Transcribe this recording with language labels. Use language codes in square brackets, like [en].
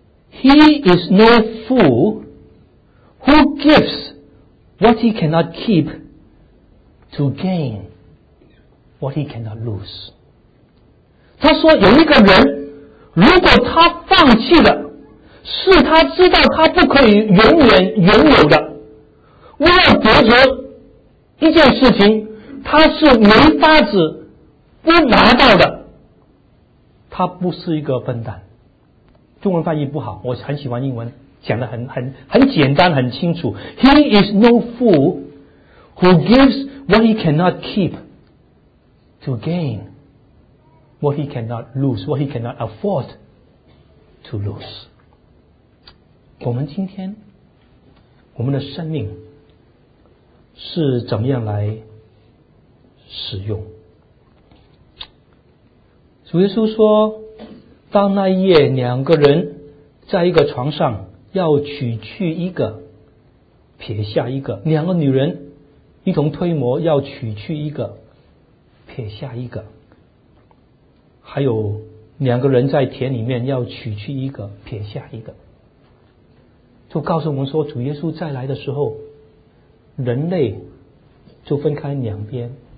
[en] he is no fool who gives what he cannot keep to gain what he cannot lose. [zh] 他说有一个人，如果他放弃了，是他知道他不可以永远拥有的，为了得着一件事情，他是没法子不拿到的，他不是一个笨蛋。中文翻译不好，我很喜欢英文讲得很简单很清楚。 [en] He is no fool who gives what he cannot keep to gain what he cannot lose, what he cannot afford to lose。 [zh] 我们今天我们的生命是怎么样来使用？主耶稣说，当那夜两个人在一个床上，要取去一个撇下一个，两个女人一同推磨，要取去一个撇下一个，还有两个人在田里面，要取去一个撇下一个，就告诉我们说，主耶稣再来的时候，人类就分开两边，